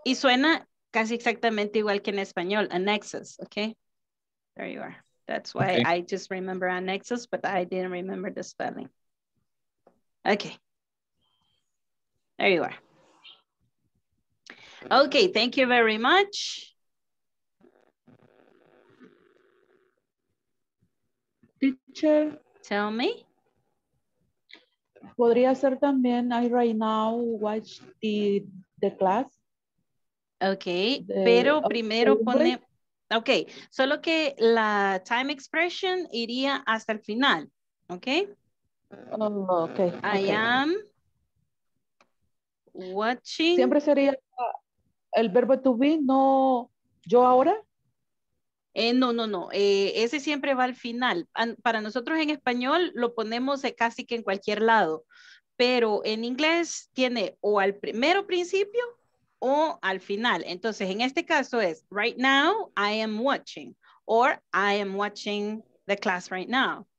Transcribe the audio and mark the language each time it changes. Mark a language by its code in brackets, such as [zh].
[es] Y suena casi exactamente igual que en español, Annexos, okay? [en] There you are. That's why okay. I just remember Annexos, but I didn't remember the spelling. Okay. There you are. Okay, thank you very much. Teacher. Tell me. [es] Podría ser también, [en] I right now watch the class. [es] Okay, pero primero pone. Okay, solo que la time expression iría hasta el final. [en] Okay. Okay. I am. Watching. [es] Siempre sería el verbo to be, no yo ahora. No. Ese siempre va al final. Para nosotros en español lo ponemos casi que en cualquier lado. Pero en inglés tiene o al primero principio o al final. Entonces, en este caso es [en] right now I am watching. Or I am watching the class right now.